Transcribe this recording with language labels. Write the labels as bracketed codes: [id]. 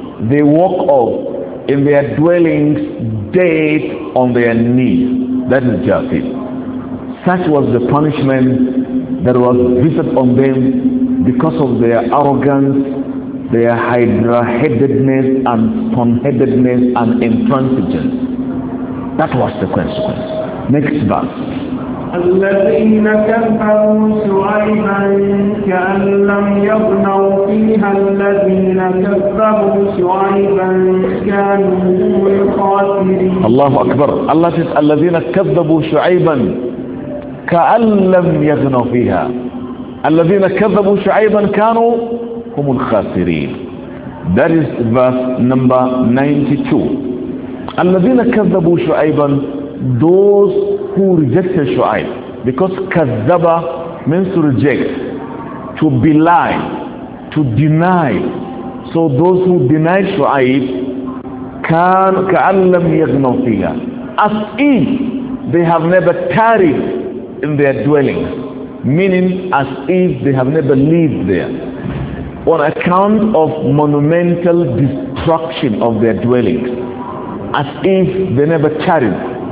[en] They walk off in their dwellings dead on their knees. That is Jasim. Such was the punishment that was visited on them because of their arrogance, their hydra-headedness and stone-headedness and intransigence. That was the consequence. Next verse. [ar] الذين كفروا شعيبا كأن لم يغنوا فيها الذين كفروا شعيبا كانوا الخاسرين. الله أكبر. الله [en] says [ar] الذين كذبوا شعيبا كأن لم يغنوا فيها. الذين كذبوا شعيبا كانوا هم الخاسرين. [en] That is verse number 92. [ar] الذين كذبوا شعيبا, [en] those who rejected Shu'aib, because kazzaba means to reject, to belie, to deny. So those who deny Shu'aib, [ar] ka'an lam yaghnaw fiha, [en] as if they have never tarried in their dwelling, meaning as if they have never lived there, on account of monumental destruction of their dwellings, as if they never tarried.